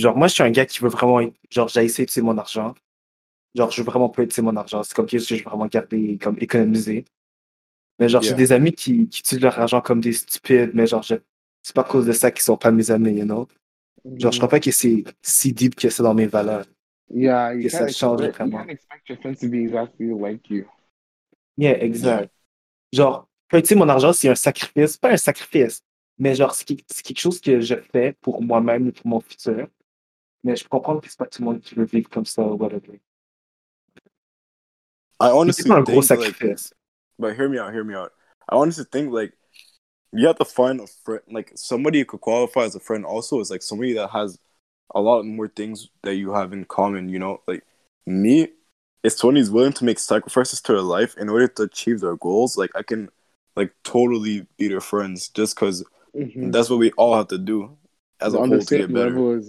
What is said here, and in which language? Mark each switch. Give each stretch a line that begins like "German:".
French: Genre, moi, je suis un gars qui veut vraiment, genre, j'ai essayé de tuer mon argent, genre, je veux vraiment pas tuer mon argent, c'est comme quelque chose que je veux vraiment garder, comme économiser, mais genre, j'ai des amis qui tuent leur argent comme des stupides, mais genre, c'est pas à cause de ça qu'ils sont pas mes amis,
English: you know?
French: Genre, je crois pas que c'est si deep que ça dans mes valeurs.
English: Yeah, you can't, change expect, vraiment. You can't expect your friends to be exactly like you. Yeah, exact.
French: Genre, quand tu sais, mon argent, c'est un sacrifice. Pas un sacrifice, mais genre, c'est quelque chose que je fais pour moi-même et pour mon futur. Mais je comprends que c'est pas tout le monde qui veut vivre comme ça ou whatever.
English: I honestly
French: c'est pas un gros sacrifice.
English: Like, but hear me out. I honestly think, like, you have to find a friend, like, somebody who could qualify as a friend also is, like, somebody that has a lot more things that you have in common, you know? Like, me, if somebody's willing to make sacrifices to their life in order to achieve their goals, like, I can, like, totally be their friends just because that's what we all have to do as a whole to get better.